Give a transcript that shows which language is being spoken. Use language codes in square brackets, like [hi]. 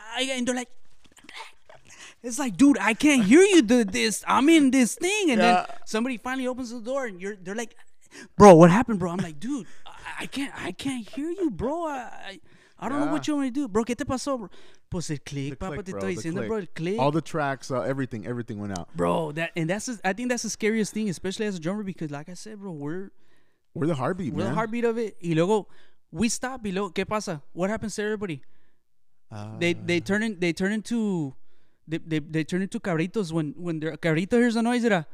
[en] And they're like, it's like, dude, I can't hear you do this. I'm in this thing. And yeah, then somebody finally opens the door and they're like, bro, what happened, bro? I'm like, dude, I can't hear you, bro. I don't know what you want me to do, bro. [es] ¿Qué te pasó, bro? Pues el click, papa, click, te estoy diciendo, bro. El click. [en] All the tracks, everything went out, bro. I think that's the scariest thing, especially as a drummer, because like I said, bro, we're the heartbeat, we're man. The heartbeat of it. [es] Y luego [en] we stop. [es] Y luego ¿qué pasa? [en] What happens to everybody? They turn into cabritos when their cabrito hears a noise.